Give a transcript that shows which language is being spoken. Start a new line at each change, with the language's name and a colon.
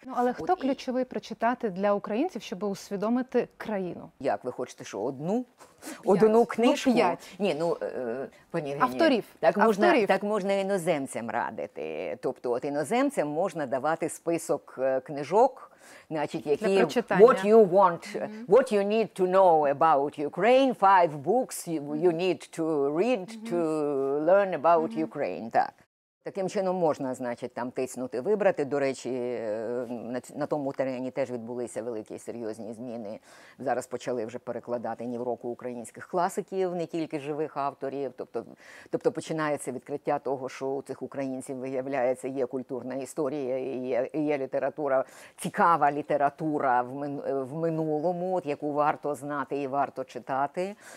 Ukrainian: Ну, але хто от ключовий прочитати для українців, щоб усвідомити країну? Як ви хочете, що одну? Одну книжку? Ну, п'ять. Ні, ну, пані Євгенія. Авторів. Так можна іноземцям радити. Тобто, от іноземцям можна давати список книжок, значить, які... Для прочитання.
English: What you want, what you need to know about Ukraine, five books you need to read to learn about Ukraine.
Ukrainian: Так. Таким чином можна, значить, там тиснути, вибрати. До речі, на тому терені теж відбулися великі серйозні зміни. Зараз почали вже перекладати ні в року українських класиків, не тільки живих авторів. Тобто починається відкриття того, що у цих українців, виявляється, є культурна історія, є література, цікава література в минулому, от, яку варто знати і варто читати.